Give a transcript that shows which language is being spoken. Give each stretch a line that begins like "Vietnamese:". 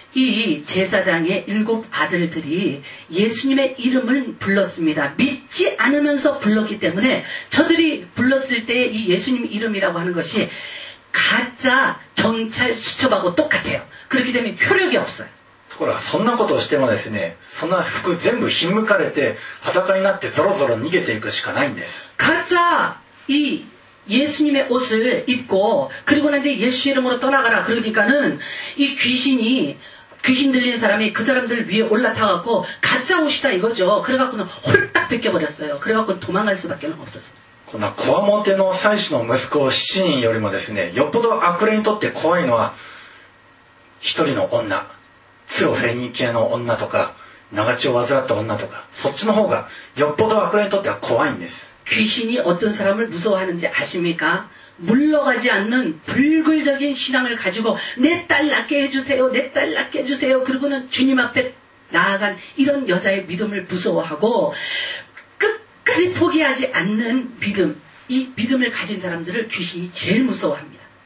Korean: 이 제사장의 일곱 아들들이 예수님의 이름을 불렀습니다. 믿지 않으면서 불렀기 때문에 저들이 불렀을 때 이 예수님 이름이라고 하는 것이 가짜 경찰 수첩하고 똑같아요. 그렇기 때문에 효력이 없어요.
Japanese: そんなことをしてもですね、そんな服全部ひんむかれて裸になってゾロゾロ逃げていくしかないんです。
Korean: 가짜 이 예수님의 옷을 입고 그리고 나한테 예수 이름으로 떠나가라 그러니까는 이 귀신이 귀신 들린 사람이 그 사람들 위에 올라타갖고 가짜 옷이다 이거죠. 그래갖고는 홀딱 벗겨버렸어요. 그래갖고 도망갈 수밖에 없었어요.
Japanese: このこわもての祭司の息子7人よりもですね、よっぽど悪霊にとって怖いのは一人の女、つお霊人系の女とか長血を患った女とか、そっちの方がよっぽど悪霊にとっては怖いんです。
Korean: 귀신이어떤사람을무서워하는지아십니까물러가지않는불굴적인신앙을가지고내딸낳게해주세요내딸낳게해주세요그리고는주님앞에나아간이런여자의믿음을무서워하고끝까지포기하지않는믿음이믿음을가진사람들을귀신이제일무서워합니다